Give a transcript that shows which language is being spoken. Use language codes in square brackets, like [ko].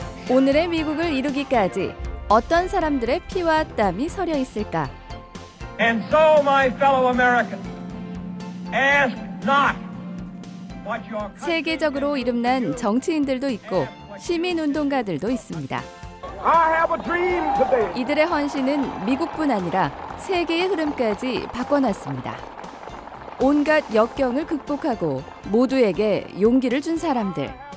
[ko] 오늘의 미국을 이루기까지 어떤 사람들의 피와 땀이 서려 있을까? [en] And so, my fellow Americans, ask not what your country. [ko] 세계적으로 이름난 정치인들도 있고 시민 운동가들도 있습니다. [en] I have a dream today. [ko] 이들의 헌신은 미국뿐 아니라 세계의 흐름까지 바꿔놨습니다. 온갖 역경을 극복하고 모두에게 용기를 준 사람들.